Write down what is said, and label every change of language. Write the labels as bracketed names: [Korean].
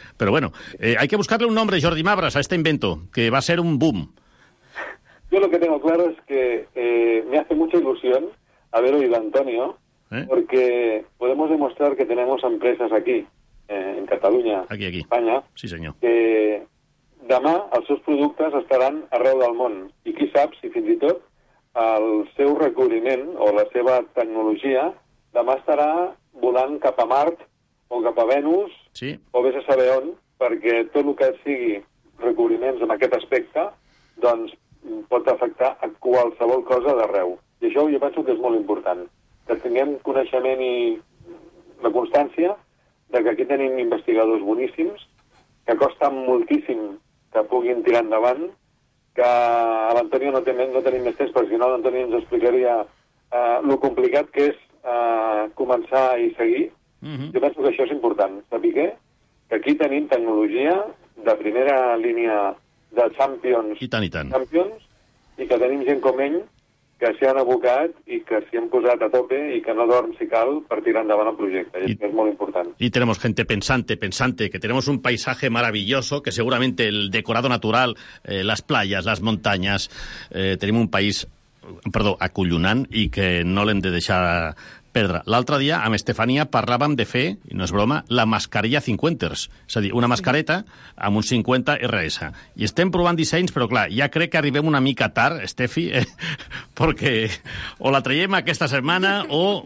[Spanish] Pero bueno, hay que buscarle un nombre, Jordi Mavras, a este invento, que va a ser un boom. Yo lo que tengo claro es que me hace mucha ilusión haber oído a Antonio, porque podemos demostrar que tenemos empresas aquí, en Cataluña, aquí. España, sí, señor. [Catalan] Que demà els seus productes estaran arreu del món. I qui sap si fins i tot el seu recobriment o la seva tecnologia demà estarà volant cap a Mart o cap a Venus, sí, o vés a saber on, perquè tot el que sigui recobriments en aquest aspecte doncs pot afectar a qualsevol cosa d'arreu. I això jo penso que és molt important, que tinguem coneixement i la constància de que aquí tenim investigadors boníssims, que costa moltíssim que puguin tirar endavant, que a l'Antonio no tenim més temps, perquè si no l'Antonio ens explicaria lo complicat que és començar i seguir. Mm-hmm. Jo penso que això és important. Sabi què? Que aquí tenim tecnologia de primera línia de Champions. I tant. Champions, i que tenim gent com ell que s'hi han abocat i que s'hi han posat a tope i que no dorm si cal per tirar endavant el projecte. I és molt important. [Spanish] I tenemos gente pensante, que tenemos un paisaje maravilloso, que seguramente el decorado natural, las playas, las montañas, [Catalan] tenim un país, acollonant, i que no l'hem de deixar perdre. L'altre dia, amb Estefania, parlàvem de fer, i no és broma, la mascarilla 50ers, és a dir, una mascareta amb un 50 RS. I estem provant dissenys, però clar, ja crec que arribem una mica tard, Estefi, perquè o la traiem aquesta setmana o...